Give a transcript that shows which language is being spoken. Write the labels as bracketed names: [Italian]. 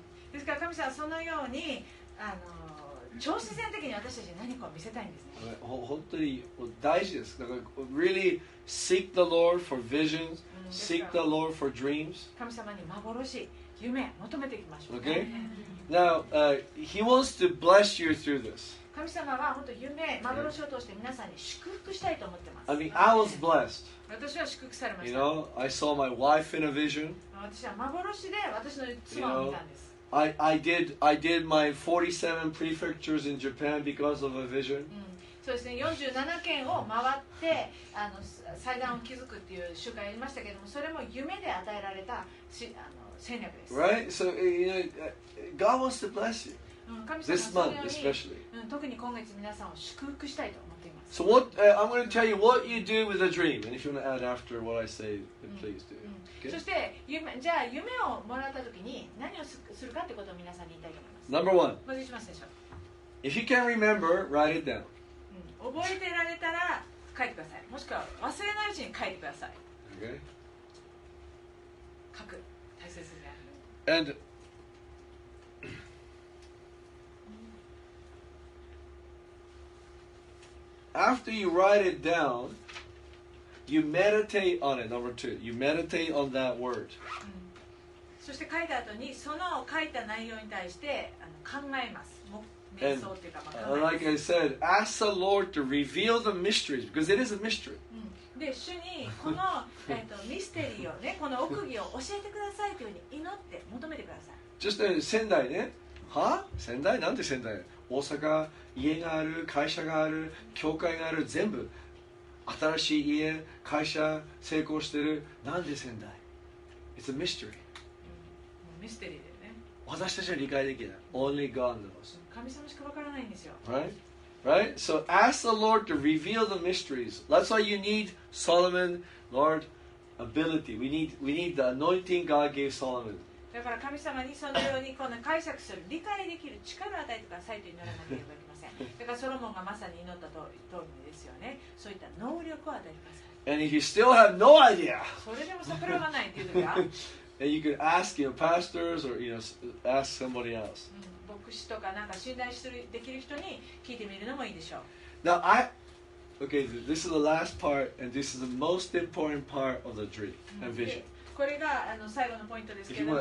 [Japanese] うん、ですから神様はそのように、超自然的に私たちに何かを見せたいんですね。本当に大事です。だから、 [English] really seek the Lord for visions,、 [Japanese] うん、 [English] seek the Lord for dreams. [Japanese] 神様に幻、夢を求めていきましょう、ね。Okay? [English] Now,、He wants to bless you through this. [Japanese] 神様は本当夢、幻を通して皆さんに祝福したいと思ってます。 [English] I mean, I was blessed. [Japanese] 私は祝福されました。 [English] You know, I saw my wife in a vision. [Japanese] 私は幻で私の妻を見たんです。 [English] You know, I did my 47 prefectures in Japan because of a vision.、 [Japanese] うん、そうですね、47県を回って祭壇を築くっていう習慣やりましたけども、それも夢で与えられた戦略です。 [English] Right? So, you know, God wants to bless you. This month, especially. [Japanese] 特に今月皆さんを祝福したいと思っています。 [English] So what, I'm going to tell you what you do with a dream. And if you want to add after what I say, then please do. Okay? [Japanese] そして、じゃあ夢をもらったときに何をするかってことを皆さんに言いたいと思います。 [English] Number one. [Japanese] まずしますでしょう。 [English] If you can remember, write it down. [Japanese] 覚えてられたら書いてください。もしくは忘れないうちに書いてください。 [English] Okay. [Japanese] 書く。大切です。 [English] And... After you write it down, you meditate on it. Number two, you meditate on that word.、 [Japanese] うん、そして書いた後にその書いた内容に対して考えます。瞑想っていうか考えます。 [English] And, like I said, ask the Lord to reveal the mysteries because it is a mystery.、 [Japanese] うん、で、主にこの、ミステリーをね、この奥義を教えてくださいというふうに祈って求めてください。 Just、仙台ね。は？仙台？なんで仙台？大阪、家がある、会社がある、教会がある、全部新しい家、会社、成功してる、なんで仙台？ [English] It's a mystery、うん、 [Japanese] ミステリーだよね。私たちは理解できない、うん、 [English] Only God knows [Japanese] 神様しかわからないんですよ。 [English] Right? Right? So ask the Lord to reveal the mysteries. That's why you need Solomon, Lord, ability. We need the anointing God gave Solomon. [Japanese] だから神様にそのようにこの解釈する理解できる力を与えてくださいと祈らなければいけません。だからソロモンがまさに祈った通りですよね。そういった能力を与えてください。 [English] And if you still have no idea, [Japanese] それでも桜がないっていうときは、 [English] And you could ask your pastors or you know ask somebody else. [Japanese] 牧師とかなんか信頼するできる人に聞いてみるのもいいでしょう。 [English] Now I, okay, this is the last part and this is the most important part of the dream and vision. [Japanese] これがあの最後のポイントですけれども